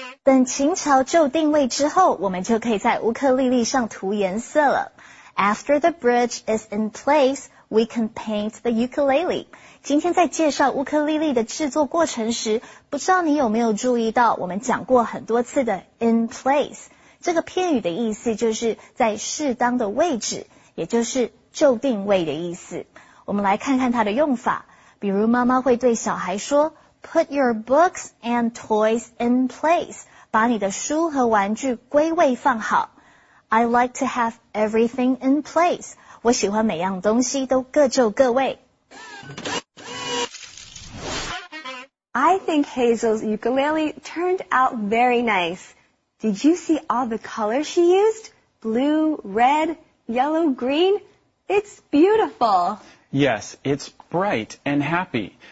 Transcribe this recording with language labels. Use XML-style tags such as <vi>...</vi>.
<zh>等琴桥就定位之后, 我们就可以在乌克丽丽上涂颜色了.</zh> <en>After the bridge is in place, we can paint the ukulele.</en> <zh>今天在介绍乌克丽丽的制作过程时, 不知道你有没有注意到, 我们讲过很多次的 in place. 这个片语的意思就是在适当的位置, 也就是就定位的意思. 我们来看看它的用法, 比如妈妈会对小孩说,</zh> <en>Put your books and toys in place.</en> <zh>把你的书和玩具归位放好.</zh> <en>I like to have everything in place.</en> <zh>我喜欢每样东西都各就各位.</zh> <en>I think Hazel's ukulele turned out very nice. Did you see all the colors she used? Blue, red, yellow, green? It's beautiful. Yes, it's bright and happy.</en>